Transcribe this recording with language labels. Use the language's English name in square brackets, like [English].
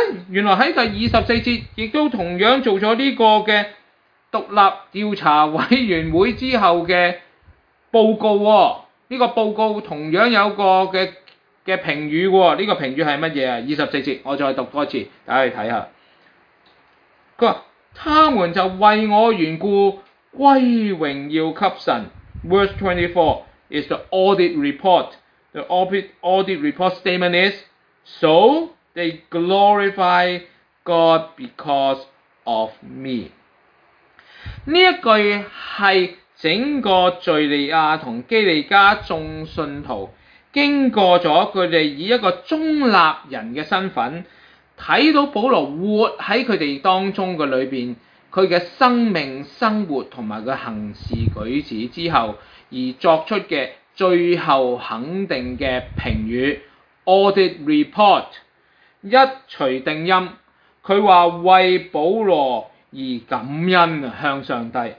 [Chinese] 原來在第24節也都同樣做了這個的獨立調查委員會之後的報告，這個報告同樣有一個 的評語，這個評語是什麼？ 24節我再讀多一次大家看看，他說他們就為我緣故歸榮耀給神。 [English] Verse 24 is the audit report. The audit report statement is So they glorify God because of me. [Chinese] 這一句是整個敘利亞和基利加眾信徒經過了他們以一個中立人的身份看到保罗活在他们当中的里面，他的生命、生活和他的行事举止之后而作出的最后肯定的评语 Audit Report， 一锤定音，他说为保罗而感恩向上帝。